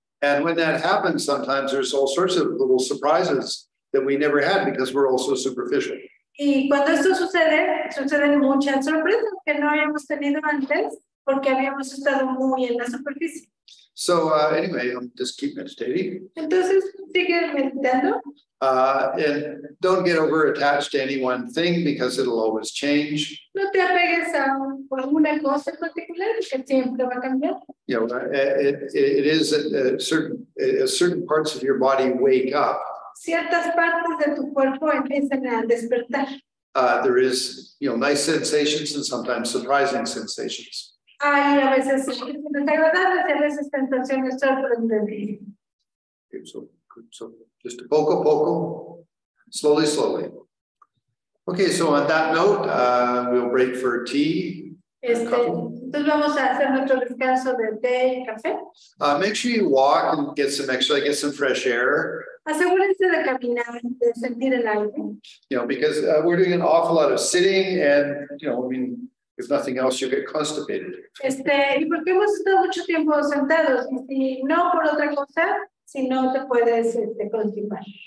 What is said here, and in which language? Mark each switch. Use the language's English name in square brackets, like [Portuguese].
[English] And when that happens, sometimes there's all sorts of little surprises that we never had because we're all so superficial. [Spanish] Y cuando esto sucede, suceden muchas sorpresas que no habíamos tenido antes porque habíamos estado muy en la superficie. [English] So anyway, just keep meditating. [Spanish] Entonces, sigue meditando. [English] And don't get over attached to any one thing because it'll always change. [Spanish] No te apegues a alguna cosa particular que siempre va a cambiar. [English] Yeah, it is a certain parts of your body wake up. [Spanish] Ciertas partes de tu cuerpo empiezan a despertar. [English] There is, you know, nice sensations and sometimes surprising sensations. [Spanish] Ay, a veces desagradables, a veces sensaciones sorprendentes. [English] So just poco a poco, slowly, slowly. Okay, so on that note, we'll break for tea. [Spanish] Entonces vamos a hacer nuestro descanso de té y café. [English] Make sure you walk and get some fresh air. [Spanish] Asegúrense de caminar, de sentir el aire. [English] You know, because we're doing an awful lot of sitting and, you know, I mean, if nothing else, you'll get constipated. [Spanish] Y porque hemos estado mucho tiempo sentados, y si no por otra cosa, si no te puedes constipar.